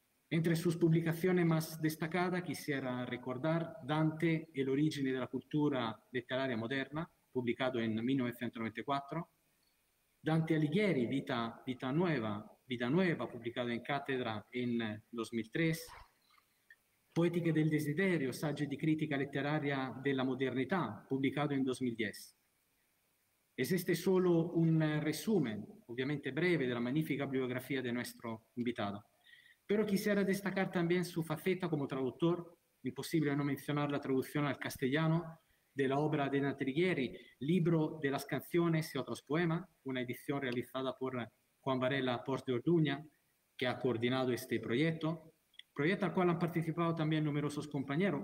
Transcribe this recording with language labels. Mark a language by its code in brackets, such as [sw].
[es] Entre sus publicaciones más destacadas, quisiera recordar Dante, El origen de la cultura literaria moderna, publicado en 1994. Dante Alighieri, Vita Nueva, publicado en Cátedra en 2003. [it] Poética del desiderio, saggi di critica letteraria della modernità, pubblicato in 2010. [es] Existe solo un resumen, obviamente breve, de la magnífica biografía de nuestro invitado. Pero quisiera destacar también su faceta como traductor, imposible no mencionar la traducción al castellano de la obra de Dante Alighieri, Libro de las canciones y otros poemas, una edición realizada por Juan Varela Pons de Orduña, que ha coordinado este proyecto al cual han participado también numerosos compañeros.